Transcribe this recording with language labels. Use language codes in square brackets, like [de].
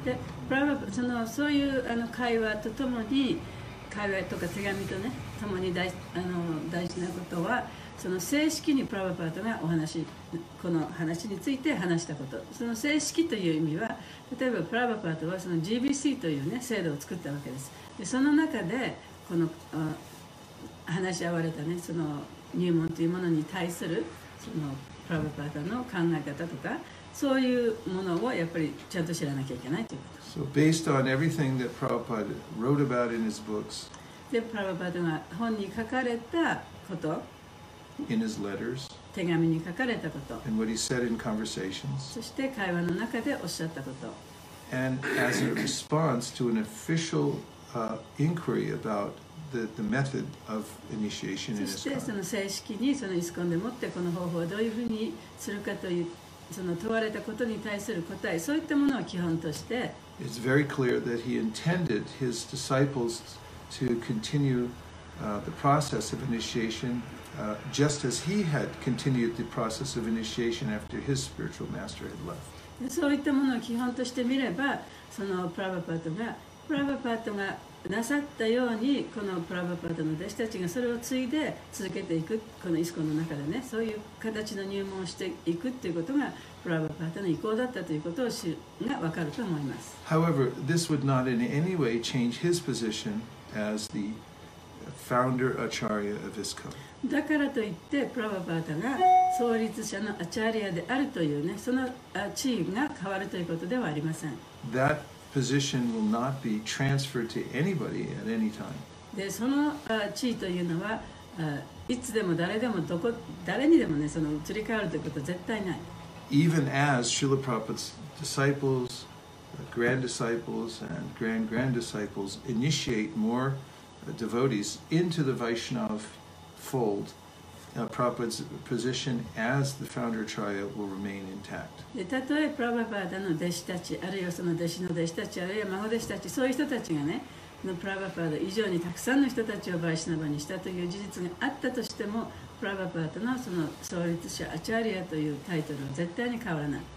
[ja] で、プラブパーダ、そういうあの会話とともに、会話とか手紙とね、ともに大事なことは、その正式にプラブパーダがお話、この話について話したこと。その正式という意味は、例えばプラブパーダはその GBC というね、制度を作ったわけです。で、その中で、この話し合われたね、その入門というものに対する、そのプラブパーダの考え方とか、そういうものをやっぱりちゃんと知らなきゃいけないということ。 [en] So based on everything that Prabhupada wrote about in his books, [ja] で、プラブパーダが本に書かれたこと、 [en] in his letters, [ja] 手紙に書かれたこと。 [en] And what he said in conversations. [ja] そして会話の中でおっしゃったこと。 [en] And as a response to an official inquiry about the method of initiation in [ja] ISKCON. そしてその正式にそのイスコンでもってこの方法をどういうふうにするかというその問われたことに対する答え、そういったものを基本として。 [en] It's very clear that he intended his disciples to continue the process of initiation just as he had continued the process of initiation after his spiritual master had left. [ja] そういったものを基本として見れば、そのプラヴァパッドがなさったようにこのプラヴァパッドの弟子たちがそれを継いで続けていく、このイスコンの中でね、そういう形の入門をしていくということがプラヴァパッドの意向だったということを知るが分かると思います。 [en] However, this would not in any way change his position as the founder Acharya of ISKCON. [ja] だからといってプラヴァパッドが創立者のアチャリアであるというね、その地位が変わるということではありません。 [en] Thatposition will not be transferred to anybody at any time. [ja] で、その地位というのは、いつでも誰でもどこ誰にでもね、その移り変わるということは絶対ない。 [en] Even as Srila Prabhupada's disciples, grand disciples and grand grand disciples initiate more devotees into the Vaishnav fold, Prabhupada's position as the founder Acharya will remain intact. [ja] たとえプラヴァパーダの弟子たち、あるいはその弟子の弟子たち、あるいは孫弟子たち、そういう人たちがね、のプラヴァパーダ以上にたくさんの人たちをバイシナバにしたという事実があったとしても、プラヴァパーダのその創立者アチャリアというタイトルは絶対に変わらない。